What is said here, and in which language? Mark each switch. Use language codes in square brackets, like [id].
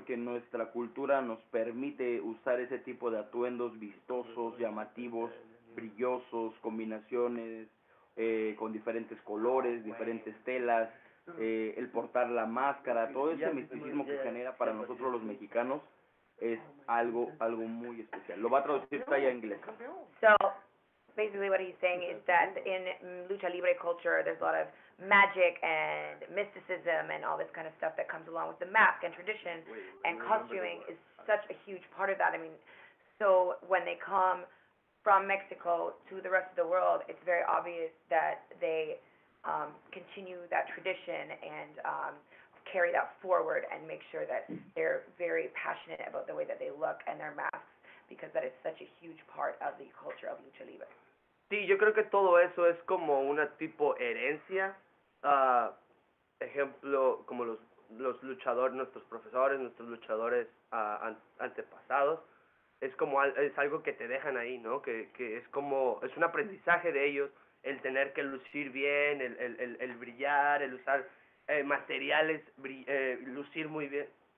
[es] Porque nuestra cultura nos permite usar ese tipo de atuendos vistosos, llamativos, brillosos, combinaciones con diferentes colores, diferentes telas, el portar la máscara, todo ese misticismo que genera para nosotros los mexicanos es algo muy especial. Lo va a traducir Taya en inglés. [en] So, basically what he's saying is that in lucha libre culture there's a lot of magic and mysticism and all this kind of stuff that comes along with the mask and tradition, and costuming is such a huge part of that. I mean, so when they come from Mexico to the rest of the world, it's very obvious that they continue that tradition and carry that forward and make sure that they're very passionate about the way that they look and their masks, because that is such a huge part of the culture of Lucha Libre. [es] Sí, yo creo que todo eso es como una tipo herencia. Ejemplo, como los luchadores, nuestros profesores, nuestros luchadores antepasados, es algo que te dejan ahí, ¿no? Que es como, es un aprendizaje de ellos, el tener que lucir bien, el brillar, el usar materiales, lucir muy bien.